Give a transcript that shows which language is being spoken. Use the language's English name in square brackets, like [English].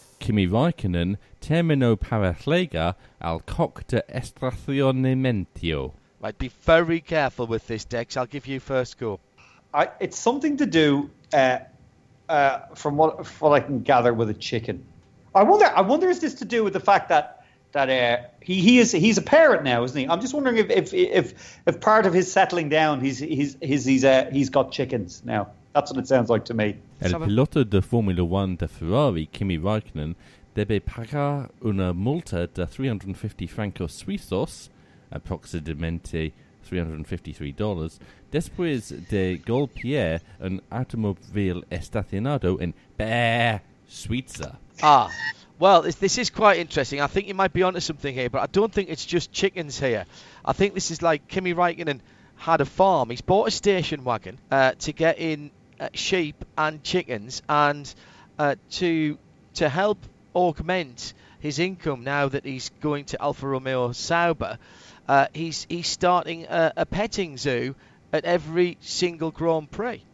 [Spanish] Kimi Raikkonen, término para llegar al coc de estacionamiento. [English] Right, be very careful with this, Dex. I'll give you first go. It's something to do, from what I can gather, with a chicken. I wonder, is this to do with the fact that he's a parent now, isn't he? I'm just wondering if part of his settling down, he's got chickens now. That's what it sounds like to me. [Spanish] El piloto de Formula 1 de Ferrari, Kimi Raikkonen, debe pagar una multa de 350 francos suizos, aproximadamente $353, después de golpear un automóvil estacionado en Bear, Suiza. [English] Ah. Well, this is quite interesting. I think you might be onto something here, but I don't think it's just chickens here. I think this is like Kimi Raikkonen had a farm. He's bought a station wagon to get in sheep and chickens, and to help augment his income now that he's going to Alfa Romeo Sauber, he's starting a petting zoo at every single Grand Prix.